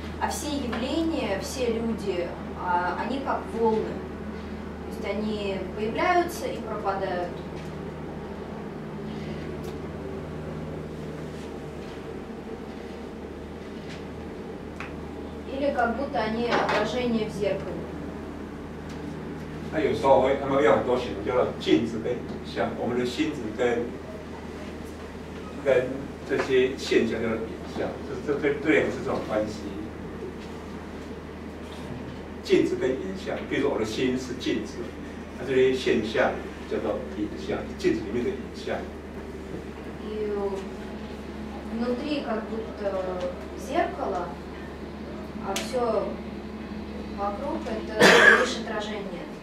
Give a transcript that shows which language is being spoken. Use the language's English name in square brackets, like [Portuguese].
[Russian] А все явления, все люди, они как волны. То есть они появляются и пропадают. Или как будто они отражение в зеркале. [Chinese] 那有时候我们要多想，叫做镜子跟像我们的心子跟这些现象叫做影像，就是这两个是这种关系。镜子跟影像，比如说我的心是镜子，那这些现象叫做影像，镜子里面的影像。 [Russian] И внутри как будто зеркало, а все вокруг это лишь отражение.